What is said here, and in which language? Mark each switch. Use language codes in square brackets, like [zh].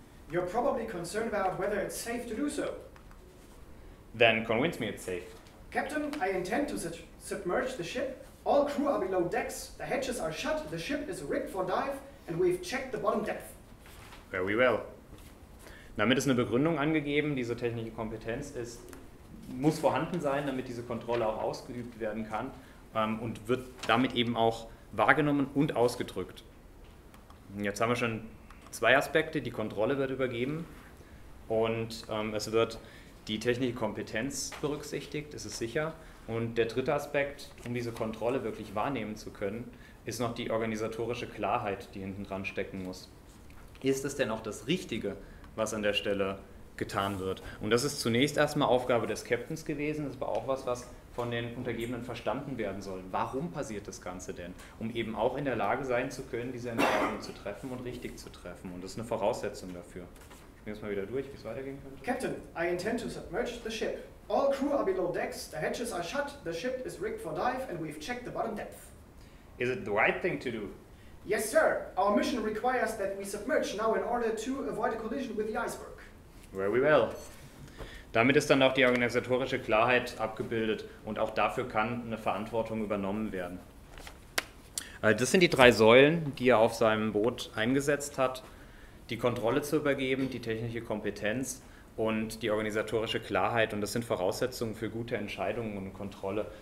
[en] You're probably concerned about whether it's safe to do so. Then convince me it's safe. Captain, I intend to submerge the ship. All crew are below decks, the hatches are shut, the ship is rigged for dive, and we've checked the bottom depth. Very well. [de] Damit ist eine Begründung angegeben, diese technische Kompetenz ist, muss vorhanden sein, damit diese Kontrolle auch ausgeübt werden kann und wird damit eben auch wahrgenommen und ausgedrückt. Jetzt haben wir schon zwei Aspekte, die Kontrolle wird übergeben und es wird die technische Kompetenz berücksichtigt, es ist sicher. Und der dritte Aspekt, um diese Kontrolle wirklich wahrnehmen zu können, ist noch die organisatorische Klarheit, die hinten dran stecken muss. Ist es denn auch das Richtige, was an der Stelle getan wird? Und das ist zunächst erstmal Aufgabe des Captains gewesen, das war auch was, was von den Untergebenen verstanden werden soll. Warum passiert das Ganze denn? Um eben auch in der Lage sein zu können, diese Entscheidung zu treffen und richtig zu treffen. Und das ist eine Voraussetzung dafür. Ich spiele jetzt mal wieder durch, wie es weitergehen könnte. [en] Captain, I intend to submerge the ship. All crew are below decks, the hatches are shut, the ship is rigged for dive, and we've checked the bottom depth. Is it the right thing to do? Yes, sir. Our mission requires that we submerge now in order to avoid a collision with the iceberg. Very well. [de] Damit ist dann auch die organisatorische Klarheit abgebildet und auch dafür kann eine Verantwortung übernommen werden. Das sind die drei Säulen, die er auf seinem Boot eingesetzt hat. Die Kontrolle zu übergeben, die technische Kompetenz und die organisatorische Klarheit, und das sind Voraussetzungen für gute Entscheidungen und Kontrolle.